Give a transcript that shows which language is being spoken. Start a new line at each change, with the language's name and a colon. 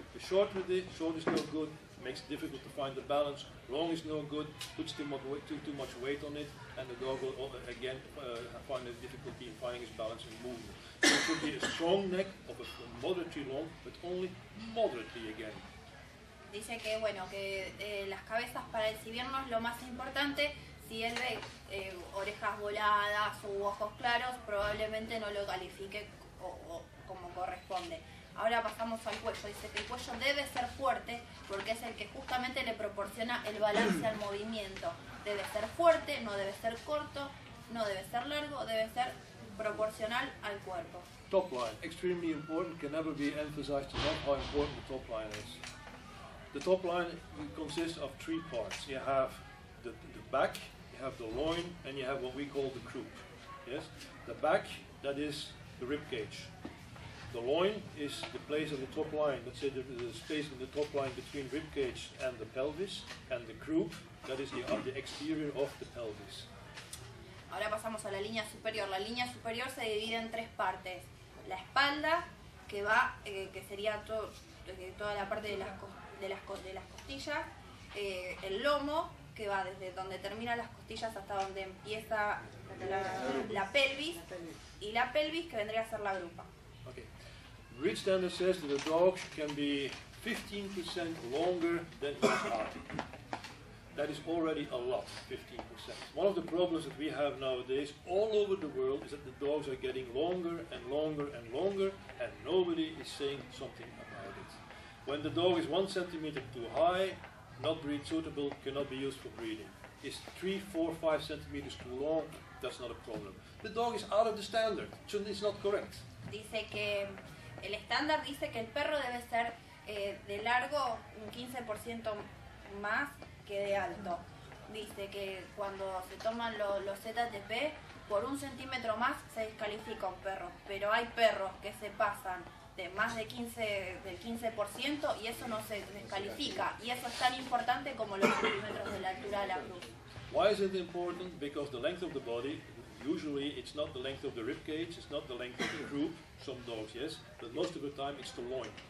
English: The short with it, short is no good. Makes it difficult to find the balance. Long is no good. Puts too much weight on it, and the dog will again find a difficulty in finding his balance and movement. So it should be a strong neck of a moderately long, but only moderately again.
Spanish: Dice que bueno que las cabezas para exhibirnos lo más importante. Si él ve orejas voladas u ojos claros, probablemente no lo califique como corresponde. Ahora pasamos al cuello. Dice que el cuello debe ser fuerte porque es el que justamente le proporciona el balance al movimiento. Debe ser fuerte, no debe ser corto, no debe ser largo, debe ser proporcional al cuerpo.
English: Top line, extremely important, can never be emphasized enough how important the top line is. The top line consists of three parts. You have the back, you have the loin, and you have what we call the croup. Yes, the back, that is the rib cage. The loin is the place of the top line, let's say the space in the top line between ribcage and the pelvis, and the croup, that is the exterior of the pelvis.
Spanish: Ahora pasamos a la línea superior. La línea superior se divide en tres partes. La espalda, que va, que sería toda la parte de las costillas. El lomo, que va desde donde terminan las costillas hasta donde empieza la pelvis. Y la pelvis, que vendría a ser la grupa.
English: Rich standard says that a dog can be 15% longer than his heart. That is already a lot, 15%. One of the problems that we have nowadays all over the world is that the dogs are getting longer and longer and longer, and nobody is saying something about it. When the dog is 1 centimeter too high, not breed suitable, cannot be used for breeding. Is 3, 4, 5 centimeters too long, that's not a problem. The dog is out of the standard, so it's not correct.
Spanish: Dice que el estándar dice que el perro debe ser de largo un 15% más que de alto. Dice que cuando se toman los ZTP, por 1 centímetro más se descalifica un perro. Pero hay perros que se pasan de más de 15% y eso no se descalifica. Y eso es tan importante como los centímetros de la altura de la cruz.
English: Why is it important? Because the length of the body, usually it's not the length of the rib cage, it's not the length of the croup. Some dogs, yes, but most of the time it's the loin.